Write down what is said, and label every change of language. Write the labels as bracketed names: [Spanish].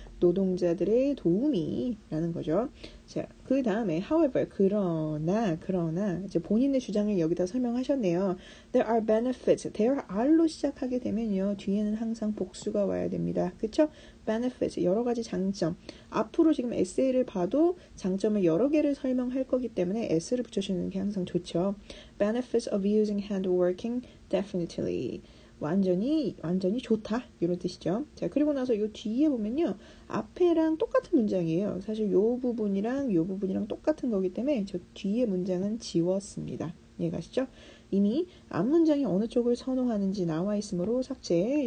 [Korean] 노동자들의 도움이라는 거죠. 자, 그 다음에 however 그러나 이제 본인의 주장을 여기다 설명하셨네요. [English] There are benefits. There are [Korean] 로 시작하게 되면요 뒤에는 항상 복수가 와야 됩니다. 그렇죠? benefits 여러 가지 장점. 앞으로 지금 에세이를 봐도 장점을 여러 개를 설명할 거기 때문에 s를 붙여주는 게 항상 좋죠. [English] benefits of using handworking definitely. [Korean] 완전히 완전히 좋다 이런 뜻이죠. 자, 그리고 나서 요 뒤에 보면요 앞에랑 똑같은 문장이에요. 사실 요 부분이랑 똑같은 거기 때문에 저 뒤에 문장은 지웠습니다. 이해가시죠? 이미 앞 문장이 어느 쪽을 선호하는지 나와 있으므로 삭제.